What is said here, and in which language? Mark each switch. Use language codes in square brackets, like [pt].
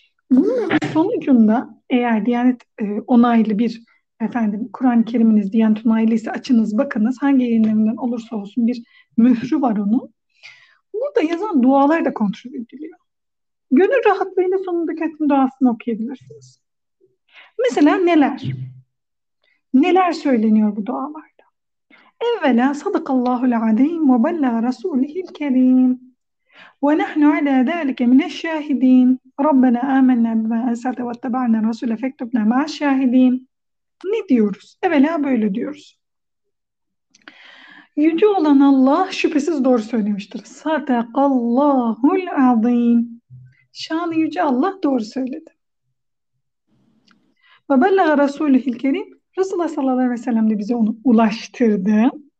[tr] Bunun sonucunda eğer Diyanet onaylı bir efendim Kur'an-ı Kerim'iniz Diyanet onaylıysa açınız bakınız hangi yayınlarından olursa olsun bir mührü var onun. Burada yazan dualar da kontrol ediliyor. Gönül rahatlığıyla sonundaki hatim duasını okuyabilirsiniz. Mesela neler? Neler söyleniyor bu dualarda? Evvela [ar] sadakallahu'l-azim ve bellâ rasûlihil-kerîm. وَنَحْنُ عَلَى ذَٰلِكَ مِنَ الشَّاهِد۪ينَ رَبَّنَا آمَنَّا بِمَا أَنْزَلْتَ وَاتَّبَعْنَا الرَّسُولَ فَاكْتُبْنَا مَعَ الشَّاهِد۪ينَ [tr] Ne diyoruz? Evvela böyle diyoruz. Yüce olan Allah şüphesiz doğru söylemiştir. Sadakallahu'l-azim. Şanı yüce Allah doğru söyledi. [ar] وَبَلَّغَ رَسُولُهِ الْكَرِيمُ [tr] Resulullah sallallahu aleyhi ve sellem de bize onu ulaştırdı.